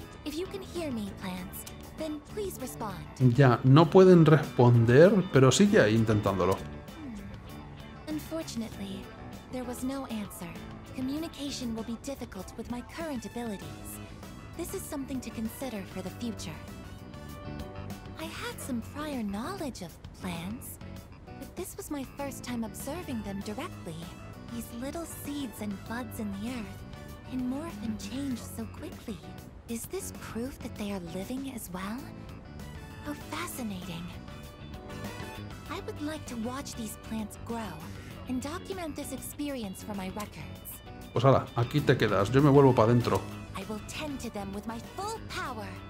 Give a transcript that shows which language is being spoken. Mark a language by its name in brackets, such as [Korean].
[English] If you can hear me, plants, then please respond. [Spanish] Ya, no pueden responder, pero sigue ahí intentándolo. [English] Unfortunately, there was no answer. Communication will be difficult with my current abilities. This is something to consider for the future. I had some prior knowledge of plants, but this was my first time observing them directly. These little seeds and buds in the earth can morph and change so quickly. Is this proof that they are living as well? How fascinating. I would like to watch these plants grow and document this experience for my records. [Spanish] Pues hala, aquí te quedas, yo me vuelvo para adentro. [English] I will tend to them with my full power.